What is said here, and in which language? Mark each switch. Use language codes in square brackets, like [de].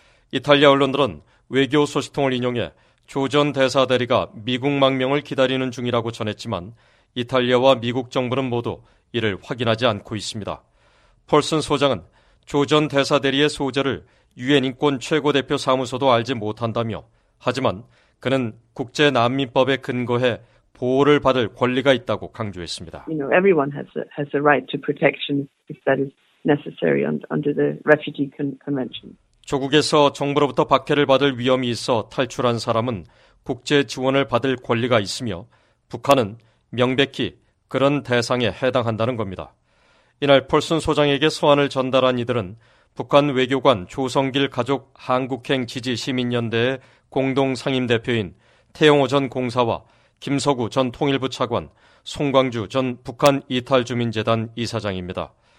[ko] 이탈리아 언론들은 외교 소식통을 인용해 조 전 대사 대리가 미국 망명을 기다리는 중이라고 전했지만 이탈리아와 미국 정부는 모두 이를 확인하지 않고 있습니다. 폴슨 소장은 조 전 대사 대리의 소재를 유엔 인권 최고대표 사무소도 알지 못한다며 하지만 그는 국제 난민법에 근거해 보호를 받을 권리가 있다고 강조했습니다. [en] You know, everyone has a right to protection if that is necessary under the Refugee Convention. [ko] 조국에서 정부로부터 박해를 받을 위험이 있어 탈출한 사람은 국제 지원을 받을 권리가 있으며 북한은 명백히 그런 대상에 해당한다는 겁니다. 이날 폴슨 소장에게 서한을 전달한 이들은 북한 외교관 조성길 가족 한국행 지지 시민연대의 공동 상임대표인 태용호 전 공사와 김서구 전 통일부 차관, 송광주 전 북한 이탈주민재단 이사장입니다.